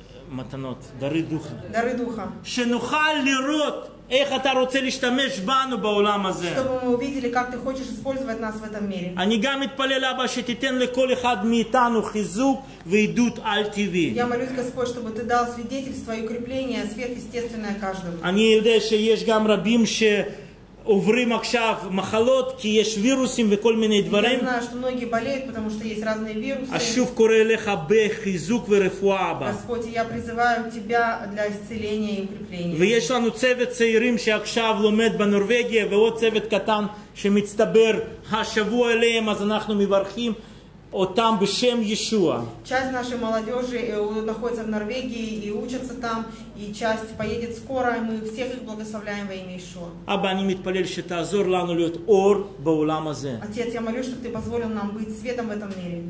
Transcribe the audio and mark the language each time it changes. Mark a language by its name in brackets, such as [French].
[Hebrew] מתנות, דרי [Russian] духа. Дары духа. [Hebrew] שנוכל לראות איך אתה רוצה להשתמש בנו בעולם הזה? [Russian] Чтобы мы увидели, как ты хочешь использовать нас в этом мире. [Hebrew] אני גם מתפלל, אבא, שתיתן לכל אחד מאיתנו חיזוק ועידוד על-טבעי. [Russian] Я молюсь, Господь, чтобы ты дал свидетельство и укрепление сверхъестественное каждому. [Hebrew] אני יודע שיש גם רבים ש עוברים עכשיו מחלות, כי יש וירוסים וכל מיני דברים. [Russian] Я знаю, что многие болеют, потому что есть разные вирусы. [Hebrew] אז שוב קורא לך בחיזוק ורפואה, אבא. [Russian] Господь, я призываю тебя для исцеления и укрепления. [Hebrew] ויש לנו צוות צעירים שעכשיו לומד בנורווגיה, ועוד צוות קטן שמצטבר השבוע אליהם, אז אנחנו מברכים אותם בשם ישוע. [Russian] Часть нашей молодежи находится в Норвегии и учатся там, и часть поедет скоро, и мы всех их благословляем во имя Ишуа. [Hebrew] אבא, אני מתפלל שתעזור לנו להיות אור בעולם הזה. [Russian] Отец, я молюсь, чтобы ты позволил нам быть светом в этом мире.